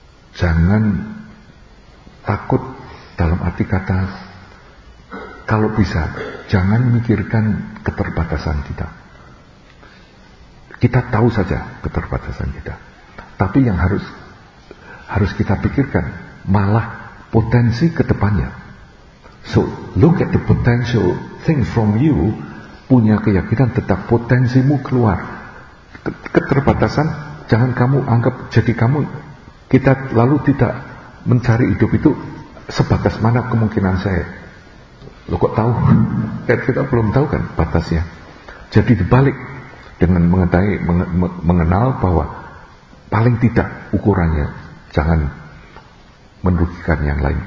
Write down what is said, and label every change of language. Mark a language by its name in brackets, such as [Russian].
[Indonesian] Jangan takut, dalam arti kata kalau bisa jangan mikirkan keterbatasan kita. Kita tahu saja keterbatasan kita, tapi yang harus kita pikirkan malah potensi kedepannya. [English] So look at the potential thing from you. [Indonesian] Punya keyakinan tetap potensimu keluar. Keterbatasan jangan kamu anggap jadi kamu. Kita lalu tidak mencari hidup itu sebatas mana kemungkinan saya. Lo kok tahu? Kita belum tahu kan batasnya. Jadi dibalik dengan mengenal bahwa paling tidak ukurannya jangan merugikan yang lain.